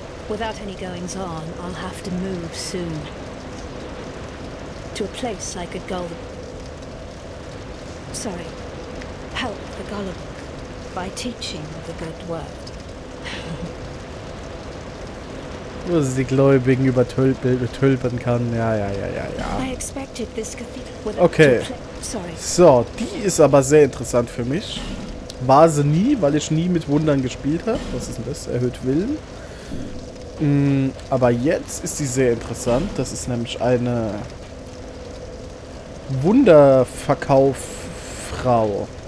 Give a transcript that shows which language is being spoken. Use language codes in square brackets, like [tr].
[en] Without any goings-on, I'll have to move soon. To a place I could gull... sorry. Help the gullible by teaching the good word. [de] Wo sie die Gläubigen übertölpern kann. Ja. [en] I expected this cathedral... Okay. Sorry. [de] So, die ist aber sehr interessant für mich. War sie nie, weil ich nie mit Wundern gespielt habe. Was ist denn das? Erhöht Willen. Aber jetzt ist sie sehr interessant. Das ist nämlich eine Wunderverkauffrau.